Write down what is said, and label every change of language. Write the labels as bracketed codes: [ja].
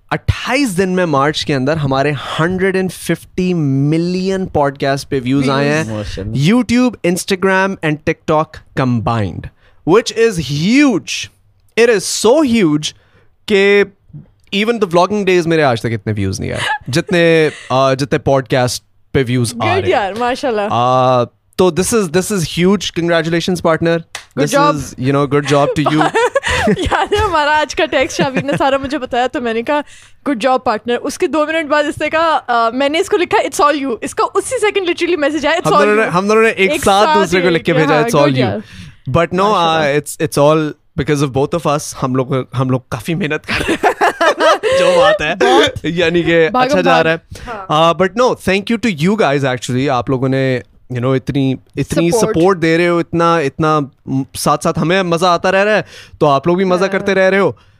[hi] 28 दिन में मार्च के अंदर हमारे 150 million पॉडकास्ट पे व्यूज़ आए हैं, YouTube, Instagram and TikTok combined, [en] Which is huge. It is so huge [hi] के [en] Even the vlogging days [hi] मेरे आज तक इतने views नहीं आए, जितने podcast पे views आ रहे हैं। Good यार, माशाल्लाह। [en] तो this is huge, congratulations partner. Good this job. Is, you know, good job to you. [hi] यार हमारा आज का text शाबिर ने सारा मुझे बताया, तो मैंने कहा [en] good job partner. [hi] उसके 2 मिनट बाद इसने कहा, मैंने इसको लिखा [en] it's all you. [hi] इसका उसी second literally message आया [en] it's all you. [hi] हम दोनों ने एक साथ दूसरे को लिख के भेजा [en] it's all you. But no, it's all because of both of us. [hi] हम लोग काफी मेहनत कर रहे हैं। जो बात है, यानी कि अच्छा जा रहा है। But no, [en] thank you to you guys, [hi] actually आप लोगों ने यू नो इतनी सपोर्ट दे रहे हो, इतना साथ साथ हमें मजा आता रह रहा है, तो आप लोग भी मजा करते रह रहे हो।